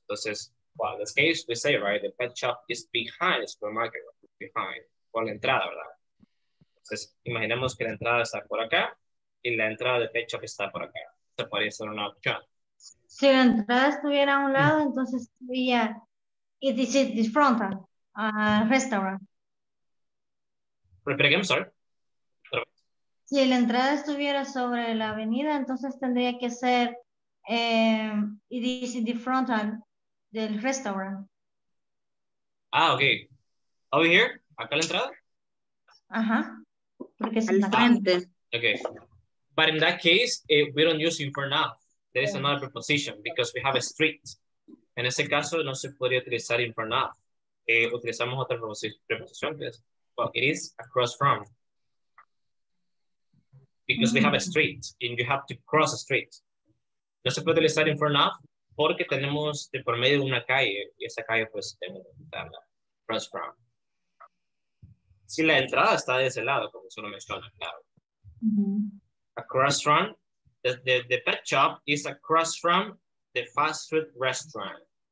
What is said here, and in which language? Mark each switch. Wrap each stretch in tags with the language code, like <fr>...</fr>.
<en>Entonces, well, in this case, we say, right, the pet shop is behind the supermarket, right?</en> <es>Behind. Por la entrada, ¿verdad? Entonces, imaginemos que la entrada está por acá y la entrada de pet shop está por acá. Se podría ser una opción. Si la entrada estuviera a un lado, entonces sería,</es> <en>it is the front, restaurant.</en> <es>Repite,</es> <en>I'm sorry.</en> <es>Si la entrada estuviera sobre la avenida, entonces tendría que ser</es> <en>it is in the front</en> <es>del restaurant. Ah, ok.</es> <en>Over here?</en> <es>¿Acá la entrada? Ajá. Porque es al frente. Ok.</es> <en>But in that case, we don't use in front of. There is another preposition because we have a street.</en> <es>En ese caso, no se podría utilizar in front of. Utilizamos otra preposición que es,</es> <en>well, it is across from. Because we have a street and you have to cross a street.</en> <es>No se puede utilizar in front of porque tenemos de por medio una calle y esa calle pues tenemos que quitarla.</es> <en>Cross from.</en> <es>Si la entrada está de ese lado, como se lo menciona, claro.</es> <en>Across from, the pet shop is across from the fast food restaurant.</en>